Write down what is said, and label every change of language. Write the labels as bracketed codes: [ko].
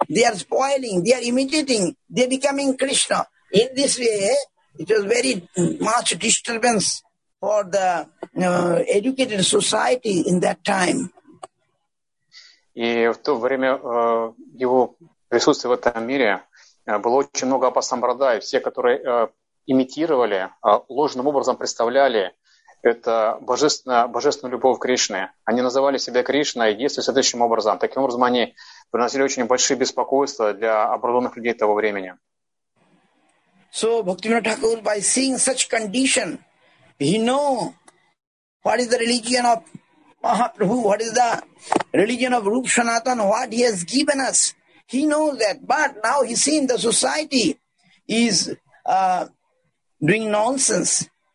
[en] They are spoiling, they are imitating, they are becoming Krishna. In this way, it was very much disturbance for the educated society in that time. [ru] И в то время его присутствие в этом мире было очень много апашампрадай. Все, которые имитировали, ложным образом представляли это божественную любовь Кришны. Они называли себя Кришной и действовали следующим образом. Таким образом, они приносили очень большие беспокойства для образованных людей того времени. [en] So, Bhaktivinoda Thakur, by seeing such condition, he know what is the religion of Mahaprabhu, what is the religion of Rupa Sanatan, what he has given us. He knows that, but now he's seen the society is doing nonsense.